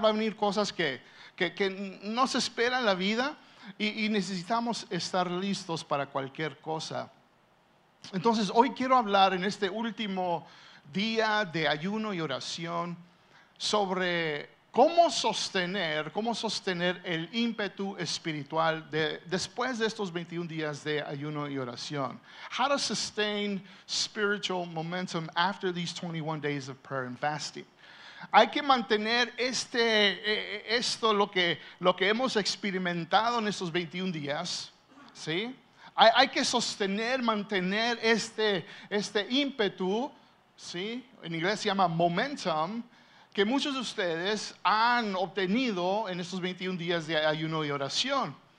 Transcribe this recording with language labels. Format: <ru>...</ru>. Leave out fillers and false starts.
<es>Van a venir cosas que no se espera en la vida, y necesitamos estar listos para cualquier cosa. Entonces, hoy quiero hablar, en este último día de ayuno y oración, sobre cómo sostener el ímpetu espiritual después de estos 21 días de ayuno y oración.</es> <en>How to sustain spiritual momentum after these 21 days of prayer and fasting.</en> <es>Hay que mantener esto, lo que hemos experimentado en estos 21 días, ¿sí? Hay que mantener este ímpetu, ¿sí? En inglés se llama momentum, que muchos de ustedes han obtenido en estos 21 días de ayuno y oración.</es>